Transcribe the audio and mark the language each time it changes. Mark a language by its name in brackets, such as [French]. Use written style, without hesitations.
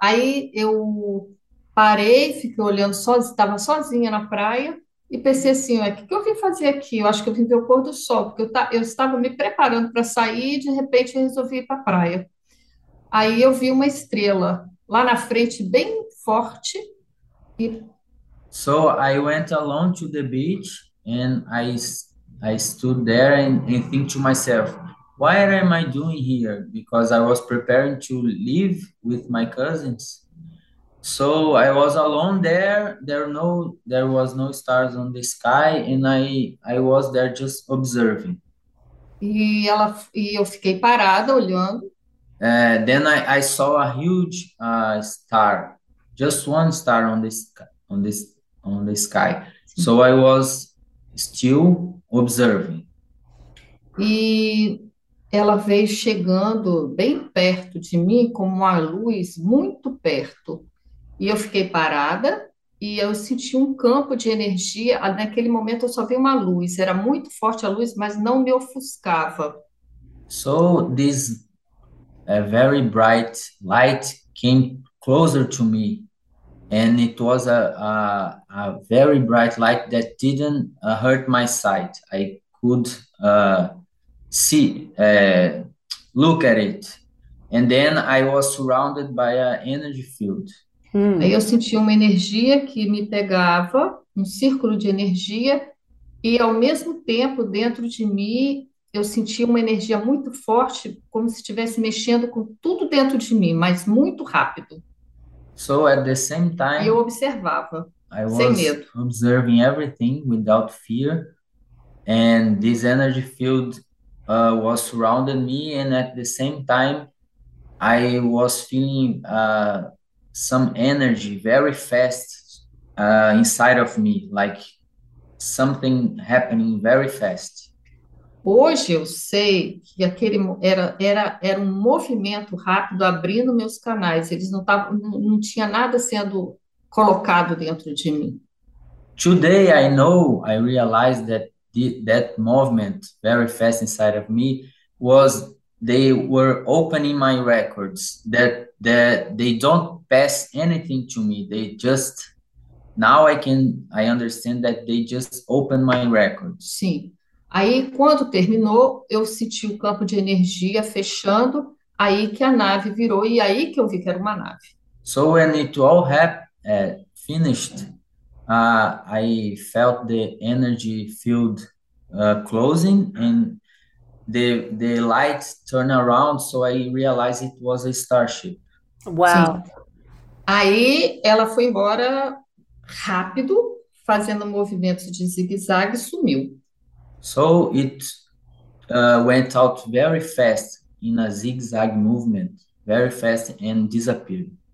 [Portuguese] Aí eu parei, fiquei olhando estava sozinha na praia e pensei assim: o que que eu vim fazer aqui? Eu acho que eu vim ver o pôr do sol, porque eu estava me preparando para sair e de repente eu resolvi ir para a praia. Aí eu vi uma estrela lá na frente, bem forte. [English] So I went alone to the beach and I stood there and think to myself, why am I doing here? Because I was preparing to leave with my cousins. So I was alone there. There was no stars on the sky, and I was there just observing. [Portuguese] E eu fiquei parada olhando. [English] Then I saw a huge star, just one star on this on this. On the sky. So I was still observing. [Portuguese] E ela veio chegando bem perto de mim, com uma luz muito perto. E eu fiquei parada e eu senti um campo de energia. Naquele momento eu só vi uma luz, era muito forte a luz, mas não me ofuscava. [English] So this very bright light came closer to me. And it was a very bright light that didn't hurt my sight. I could see, look at it. And then I was surrounded by an energy field. [Portuguese] Aí eu senti uma energia que me pegava, um círculo de energia, e ao mesmo tempo, dentro de mim, eu senti uma energia muito forte, como se estivesse mexendo com tudo dentro de mim, mas muito rápido. [English] So at the same [Portuguese] E eu [English] time, [Portuguese] observava, [English] I [Portuguese] sem [English] was [Portuguese] medo. [English] observing everything without fear, and this energy field was surrounding me. And at the same time, I was feeling some energy very fast inside of me, like something happening very fast. [Portuguese] Hoje eu sei que aquele era um movimento rápido abrindo meus canais. Eles não tavam, não tinha nada sendo colocado dentro de mim. [English] Today I know, I realized that movement very fast inside of me was they were opening my records, that they don't pass anything to me. They just, now I understand that they just opened my records. [Portuguese] Sim. Aí, quando terminou, eu senti o campo de energia fechando, aí que a nave virou, e aí que eu vi que era uma nave. [English] So when it all finished, I felt the energy field closing, and the lights turn around, so I realized it was a starship. Uau! [Portuguese] Aí ela foi embora rápido, fazendo movimentos de zigue-zague, sumiu. [English] So it went out very fast in a zigzag movement, very fast and disappeared.